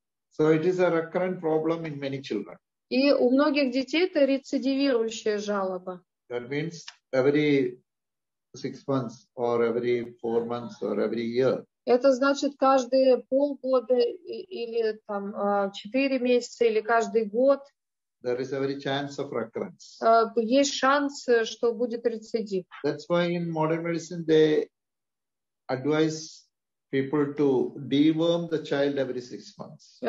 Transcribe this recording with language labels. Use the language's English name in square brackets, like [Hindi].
[English] So it is a recurrent problem in many children. [Russian] И у многих детей это рецидивирующая жалоба. [English] That means every 6 months or every 4 months or every year. [Russian] Это значит каждые полгода или там 4 месяца или каждый год. [English] There is every chance of recurrence. [Russian] Есть шанс, что будет рецидив. [English] That's why in modern medicine they advise people to deworm the child every 6 months.